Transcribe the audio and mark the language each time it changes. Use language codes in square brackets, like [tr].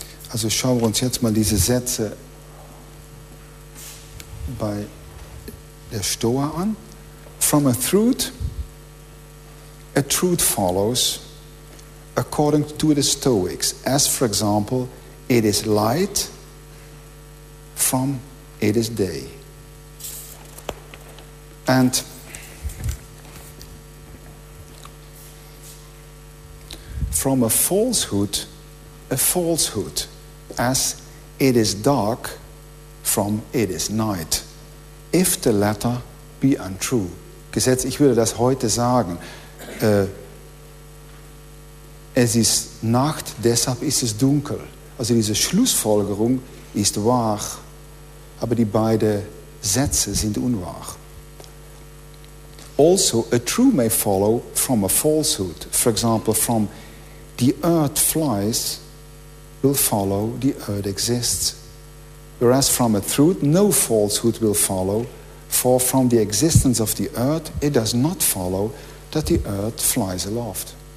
[de] Also schauen wir uns jetzt mal diese Sätze bei der Stoa an. [en] From a truth follows according to the Stoics. As for example, it is light from it is day. And from a falsehood, as it is dark from it is night, if the latter be untrue. [de] Gesetz, ich würde das heute sagen. Es ist Nacht, deshalb ist es dunkel. Also diese Schlussfolgerung ist wahr, aber die beiden Sätze sind unwahr. [en] Also, a true may follow from a falsehood. For example, from the earth flies will follow, the earth exists. Whereas from a truth, no falsehood will follow, for from the existence of the earth, it does not follow that the earth flies aloft.